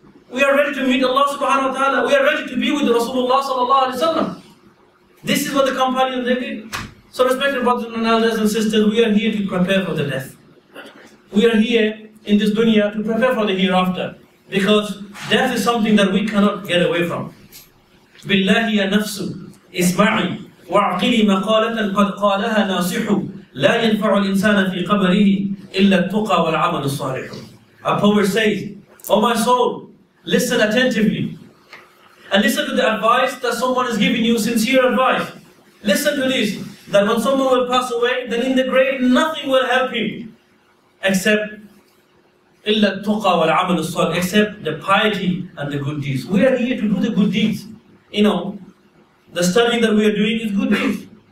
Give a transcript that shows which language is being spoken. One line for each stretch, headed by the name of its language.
English: We are ready to meet Allah subhanahu wa ta'ala. We are ready to be with Rasulullah sallallahu alayhi wa sallam. This is what the companions they did. So respected brothers and elders and sisters, we are here to prepare for the death. We are here in this dunya to prepare for the hereafter. Because death is something that we cannot get away from.
Arabic: بِاللَّهِ يَا نَفْسُ إِسْمَعِي وَعْقِلِي مَقَالَةً قَدْ قَالَهَا نَاصِحُ لَا يَنْفَعُ الْإِنسَانَ فِي قَبَرِهِ إِلَّا التُّقَى وَالْعَمَلُ الصَّالِحُ
English: A poet says, Oh my soul, listen attentively. And listen to the advice that someone is giving you, sincere advice. Listen to this. That when someone will pass away, then in the grave nothing will help him except
Arabic: إِلَّا التُّقَى وَالْعَمَلُ الصَّالِحُ
English: Except the piety and the good deeds. We are here to do the good deeds. You know, the study that we are doing is good deeds.